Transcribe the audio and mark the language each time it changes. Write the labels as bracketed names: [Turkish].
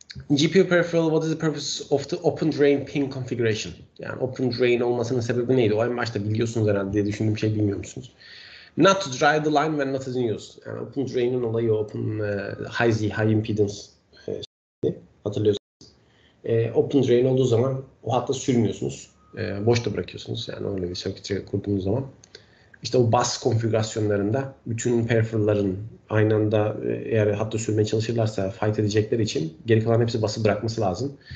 [English] GPU peripheral, what is the purpose of the open drain pin configuration? [Turkish] Yani open drain olmasının sebebi neydi? O en başta biliyorsunuz herhalde diye düşündüğüm şey bilmiyor musunuz? [English] Not to dry the line when not in use. [Turkish] Yani open drain'in olayı open high Z, high impedance hatırlıyorsunuz. Open drain olduğu zaman o hatta sürmüyorsunuz. Boşta bırakıyorsunuz. Yani öyle bir circuit kurduğunuz zaman. İşte o bus konfigürasyonlarında bütün peripheral'ların aynı anda eğer hatta sürmeye çalışırlarsa fight edecekleri için geri kalan hepsi bası bırakması lazım.